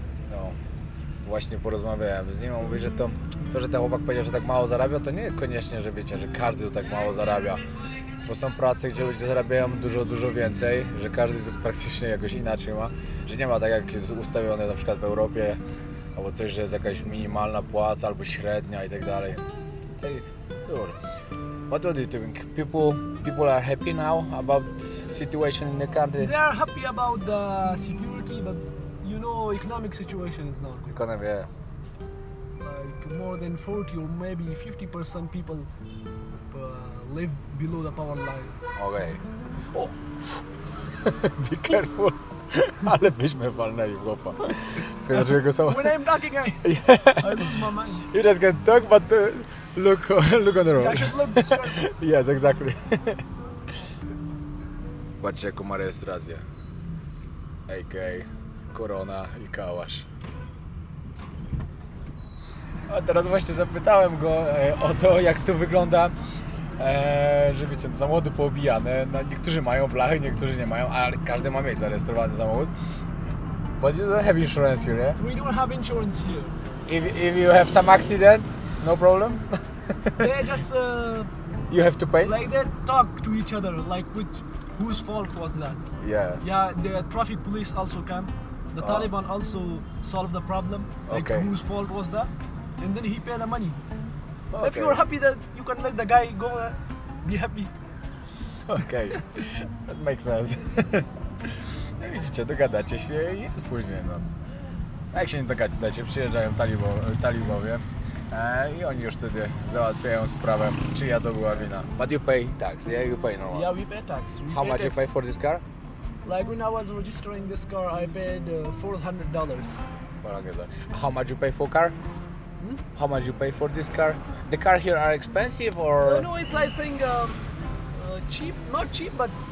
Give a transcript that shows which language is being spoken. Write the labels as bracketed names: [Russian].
[Polish] No, właśnie porozmawiałem z nim, mówię, że to, że ten chłopak powiedział, że tak mało zarabia, to nie koniecznie, że wiecie, że każdy tak mało zarabia. Bo są prace, gdzie ludzie zarabiają dużo, dużo więcej, że każdy to praktycznie jakoś inaczej ma. Że nie ma tak, jak jest ustawione na przykład w Europie, albo coś, że jest jakaś minimalna płaca, albo średnia i tak dalej. [English] What do you think? People are happy now about situation in the country? They are happy about the security, but you know, economic situation is not good. Economy, yeah. Like more than 40 or maybe 50% people live below the power line. Okay. Oh! Be careful! [Polish] Ale byśmy walnęli, chłopa. [English] When I'm talking, I lose my mind. You just can talk, but... Look on the road. Yes, exactly. [Polish] Patrzcie, jaką ma rejestrację. AK, korona i kałasz. A teraz właśnie zapytałem go o to, jak to wygląda, że wiecie, samochody poobijane. No, niektórzy mają blachy, niektórzy nie mają, ale każdy ma mieć zarejestrowany samochód. [English] But you don't have insurance here, yeah? We don't have insurance here. If you have some accident, no problem? They just you have to pay. Like they talk to each other, like whose fault was that? Yeah. Yeah, the traffic police also come. The Taliban also solve the problem. Like okay. Whose fault was that? And then he pay the money. Okay. If you're happy that you can let the guy go, be happy. Okay, that makes sense. [Polish] No widzicie, dogadacie się i jest później. No. Jak się nie dogadacie, przyjeżdżają talibowie. I oni już wtedy załatwiają sprawę, czyja to była wina. [English] But you pay tax, yeah, you pay normal. Yeah, we pay tax. We How pay much tax. You pay for this car? Like when I was registering this car, I paid $400. How much you pay for car? How much you pay for this car? The car here are expensive or? No, it's I think cheap, not cheap, but